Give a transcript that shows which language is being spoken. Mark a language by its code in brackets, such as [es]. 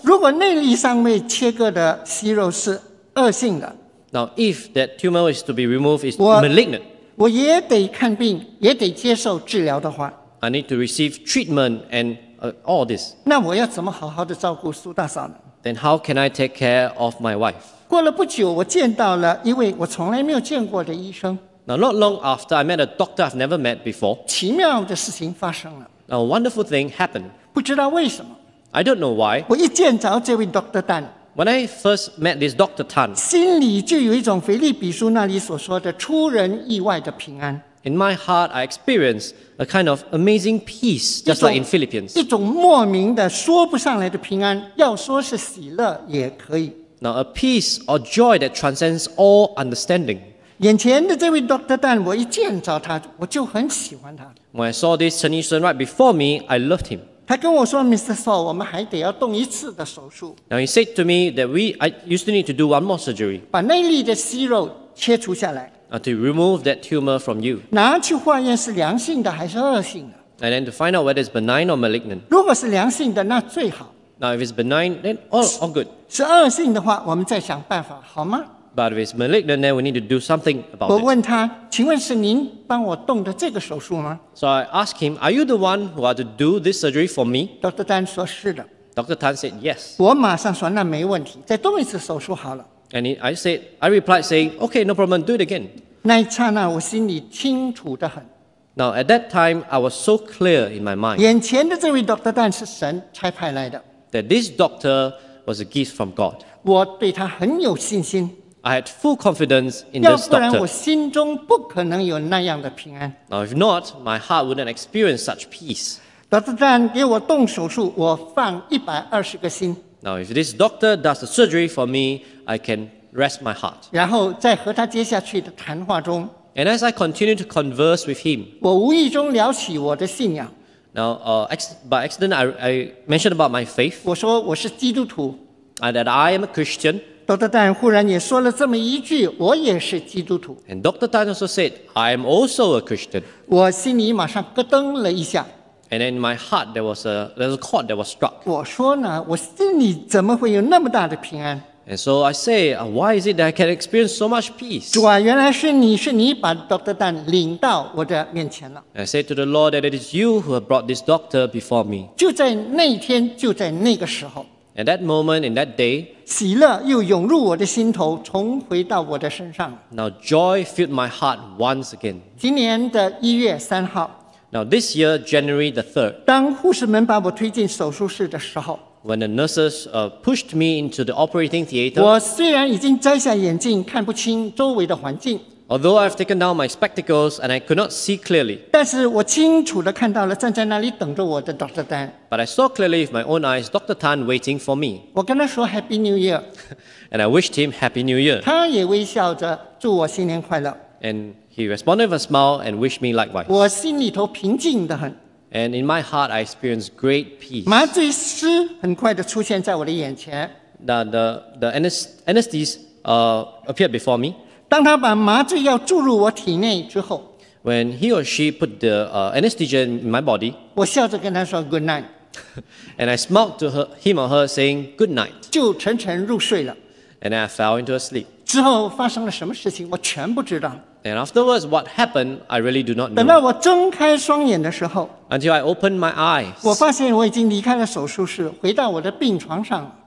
[zh] 如果那粒上面切割的息肉是恶性的 [en] ，Now if that tumor is to be removed, it's malignant. [zh] 我也得看病，也得接受治疗的话 [en] ，I need to receive treatment and all this. [zh] 那我要怎么好好的照顾苏大嫂呢 [en] ？Then how can I take care of my wife? [zh] 过了不久，我见到了一位我从来没有见过的医生。 [en] Now not long after, I met a doctor I've never met before. [zh] 奇妙的事情发生了。 [en] A wonderful thing happened. [zh] 不知道为什么 [en] I don't know why. [zh] 我一见着这位 Dr. Tan, [en] when I first met this Dr. Tan, [zh] 心里就有一种腓立比书那里所说的出人意外的平安。 [en] In my heart, I experienced a kind of amazing peace, just like in Philippians. [zh] 一种莫名的说不上来的平安，要说是喜乐也可以。 [en] Now a peace or joy that transcends all understanding. [zh] 眼前的这位 Dr. Tan, 我一见着他，我就很喜欢他。 [en] When I saw this Chen 医生 right before me, I loved him. [zh] 他跟我说 ，Mr. Saul， 我们还得要动一次的手术。 [en] Now he said to me that I used to need to do one more surgery. [zh] 把那粒的息肉切除下来。 [en] To remove that tumor from you. [zh] 拿去化验是良性的还是恶性的 [en] ？And then to find out whether it's benign or malignant. [zh] 如果是良性的，那最好。 [en] Now if it's benign, then all good. [zh] 是恶性的话，我们再想办法，好吗 [en] ？But if it's malignant, then we need to do something about it. [zh] 我问他，请问是您？帮我动的这个手术吗 [en] ？So I asked him, "Are you the one who are to do this surgery for me?" [zh] Dr. Tan 说是的。 [en] Dr. Tan said yes. [zh] 我马上说那没问题，再动一次手术好了。 [en] And I replied saying, "Okay, no problem, do it again." [zh] 那一刹那，我心里清楚得很。 [en] Now at that time, I was so clear in my mind. [zh] 眼前的这位 Dr. Tan 是神差派来的。 [en] That this doctor was a gift from God. [zh] 我对他很有信心。 [en] I had full confidence in this doctor. [zh] 要不然我心中不可能有那样的平安。 [en] Now, if not, my heart wouldn't experience such peace. [zh] Dr. Tan 给我动手术，我放120个心。 [en] Now, if this doctor does the surgery for me, I can rest my heart. [zh] 然后在和他接下去的谈话中 [en] ，And as I continue to converse with him, [zh] 我无意中聊起我的信仰。 [en] Now, by accident, I mentioned about my faith. [zh] 我说我是基督徒。 [en] That I am a Christian. [zh] Dr. Tan 忽然也说了这么一句：“我也是基督徒。” [en] And Dr. Tan also said, "I am also a Christian." [zh] 我心里马上咯噔了一下。 [en] And in my heart, there was a chord that was struck. [zh] 我说呢，我心里怎么会有那么大的平安 [en] ？And so I say, "Why is it that I can experience so much peace?" [zh] 主啊，原来是你把 Dr. Tan 领到我的面前了。 [en] I said to the Lord that it is you who have brought this doctor before me. [zh] 就在那天，就在那个时候。 [en] At that moment, in that day, [zh] 喜乐又涌入我的心头，重回到我的身上。 [en] Now joy filled my heart once again. [zh] 今年的一月三号。 [en] Now this year, January the 3rd. [zh] 当护士们把我推进手术室的时候 [en] ，When the nurses pushed me into the operating theater, [zh] 我虽然已经摘下眼镜，看不清周围的环境。 [en] Although I've taken down my spectacles and I could not see clearly, [zh] 但是我清楚地看到了站在那里等着我的 Dr. Tan. [en] But I saw clearly with my own eyes Dr. Tan waiting for me. [zh] 我跟他说 [en] Happy New Year. And I wished him Happy New Year. [zh] 他也微笑着祝我新年快乐。 [en] And he responded with a smile and wished me likewise. [zh] 我心里头平静得很。 [en] And in my heart, I experienced great peace. [zh] 麻醉师很快地出现在我的眼前。 [en] The anesthetist appeared before me. [zh] 当他把麻醉药注入我体内之后 [en] ，When he or she put the anesthesia in my body， [zh] 我笑着跟他说 [en] Good night， and I smiled to her, him or her saying Good night， [zh] 就沉沉入睡了 [en] ，and I fell into a sleep。 [zh] 之后发生了什么事情，我全不知道。 [en] And afterwards, what happened, I really do not know. [zh] 等到我睁开双眼的时候 [en] ，Until I opened my eyes， [zh] 我发现我已经离开了手术室，回到我的病床上。